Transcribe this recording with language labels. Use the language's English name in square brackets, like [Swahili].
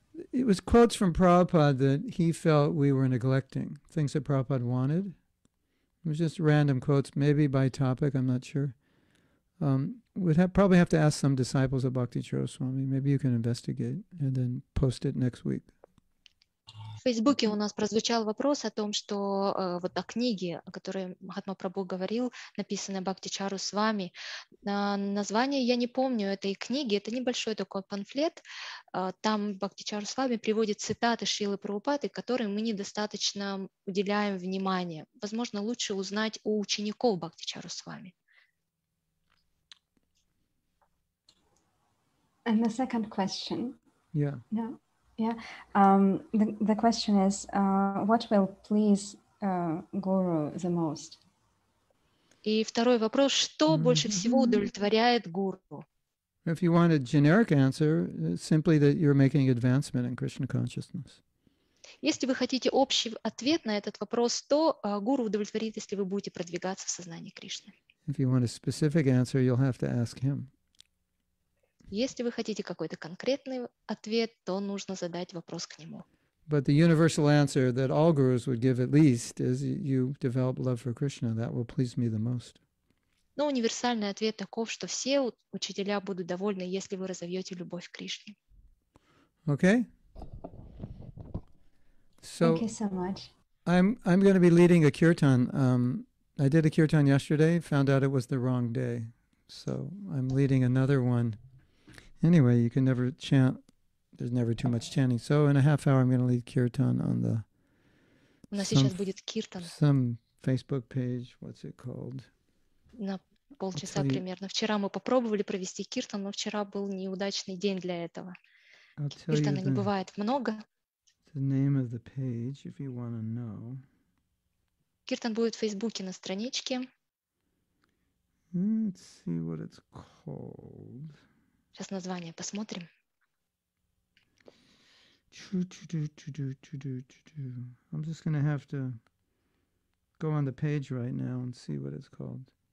[English] It was quotes from Prabhupada that he felt we were neglecting, things that Prabhupada wanted. It was just random quotes, maybe by topic, I'm not sure. We'd probably have to ask some disciples of Bhakti Charaswami. Maybe you can investigate and then post it next week. [Russian] В Фейсбуке у нас прозвучал вопрос о том, что вот о книге, о которой Махатма Прабху говорил, написанной Бхактичару с вами. Название я не помню этой книги, это небольшой такой памфлет. Там Бхактичару с вами приводит цитаты Шрилы Прабхупады, которым мы недостаточно уделяем внимание. Возможно, лучше узнать у учеников Бхактичару с вами. [English] And the second question. Yeah. No. Yeah. The question is, what will please Guru the most? [Russian] И второй вопрос, что больше всего удовлетворяет Гуру? [English] If you want a generic answer, simply that you're making advancement in Krishna consciousness. [Russian] Если вы хотите общий ответ на этот вопрос, то Гуру удовлетворит, если вы будете продвигаться в сознании Кришны. [English] If you want a specific answer, you'll have to ask him. [Russian] Если вы хотите какой-то конкретный ответ, то нужно задать вопрос к нему. [English] But the universal answer that all gurus would give at least is you develop love for Krishna. That will please me the most. [Russian] Но универсальный ответ таков, что все учителя будут довольны, если вы разовьете любовь к Кришне. [English] Okay. So, thank you so much. I'm going to be leading a kirtan. I did a kirtan yesterday, found out it was the wrong day. So I'm leading another one. Anyway, you can never chant. There's never too much chanting. So in a half hour, I'm going to lead kirtan on the... [Russian] У нас сейчас будет kirtan. [English] Some Facebook page. What's it called? [Russian] На полчаса примерно. Вчера мы попробовали провести kirtan, но вчера был неудачный день для этого. Kirtana не бывает много. [English] The name of the page, if you want to know. [Russian] Kirtan будет в Фейсбуке на страничке. [English] Let's see what it's called. [Russian] Сейчас название посмотрим. [English] I'm just going to have to go on the page right now and see what it's called.